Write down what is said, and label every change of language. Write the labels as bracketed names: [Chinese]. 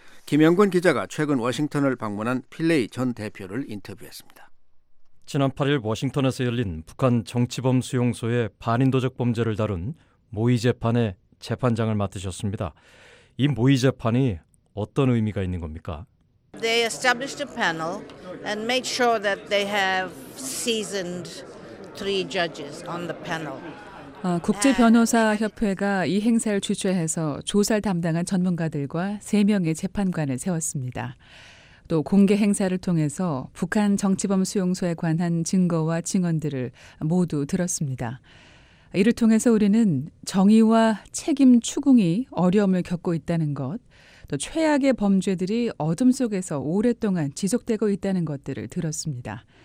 [Korean] 김영권 기자가 최근 워싱턴을 방문한 필레이 전 대표를 인터뷰했습니다. 지난 8일 워싱턴에서 열린 북한 정치범 수용소의 반인도적 범죄를 다룬 모의 재판의 재판장을 맡으셨습니다. 이 모의 재판이 어떤 의미가 있는 겁니까? [English] They established a panel and made sure that they have seasoned three judges on the panel. [Korean] 국제 변호사 협회가 이 행사를 주최해서 조사를 담당한 전문가들과 3명의 재판관을 세웠습니다. 또 공개 행사를 통해서 북한 정치범 수용소에 관한 증거와 증언들을 모두 들었습니다. 이를 통해서 우리는 정의와 책임 추궁이 어려움을 겪고 있다는 것, 또 최악의 범죄들이 어둠 속에서 오랫동안 지속되고 있다는 것들을 들었습니다.